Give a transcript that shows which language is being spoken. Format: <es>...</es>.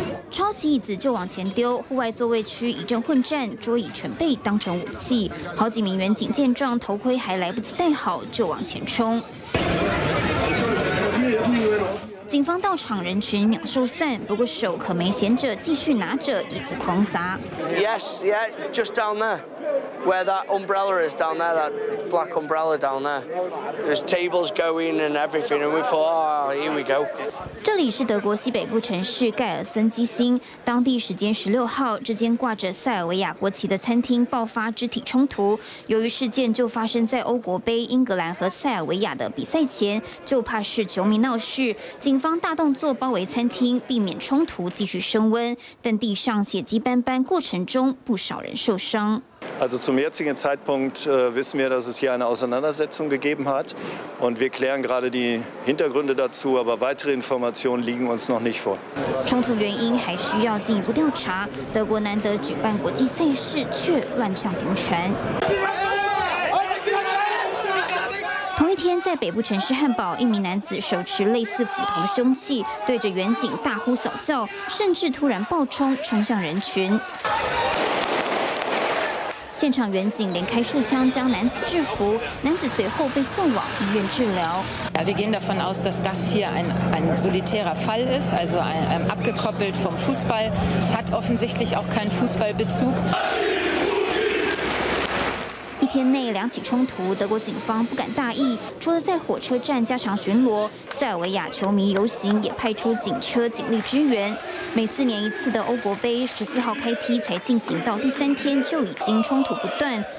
<zh>抄起椅子就往前丢，户外座位区一阵混战，桌椅全被当成武器。好几名员警见状，头盔还来不及戴好，就往前冲。警方到场，人群鸟兽散，不过手可没闲着，继续拿着椅子狂砸。</zh> <en>Yes, yeah, just down there, where that umbrella is down there, that black umbrella down there. There's tables going and everything, and we thought, ah,、oh, here we go.</en> <zh>这里是德国西北部城市盖尔森基兴，当地时间16号，这间挂着塞尔维亚国旗的餐厅爆发肢体冲突。由于事件就发生在欧国杯英格兰和塞尔维亚的比赛前，就怕是球迷闹事。警方大动作包围餐厅，避免冲突继续升温，但地上血迹斑斑，过程中不少人受伤。</zh> <de>Also zum jetzigen Zeitpunkt wissen wir, dass es hier eine Auseinandersetzung gegeben hat und wir klären gerade die Hintergründe dazu, aber weitere Informationen liegen uns noch nicht vor.</de> <zh>冲突原因还需要进一步调查。德国难得举办国际赛事，却乱象频传。天在北部城市汉堡，一名男子手持类似斧头的凶器，对着远景大呼小叫，甚至突然暴冲，冲向人群。现场远景连开数枪将男子制服，男子随后被送往医院治疗。</zh> <de>Wir gehen davon aus, dass das hier ein solitärer Fall ist, also abgekoppelt vom Fußball. Es hat offensichtlich auch keinen Fußballbezug.</de> <zh>一天内两起冲突，德国警方不敢大意，除了在火车站加强巡逻，塞尔维亚球迷游行也派出警车警力支援。每四年一次的欧国杯14号开踢，才进行到第三天就已经冲突不断。</zh>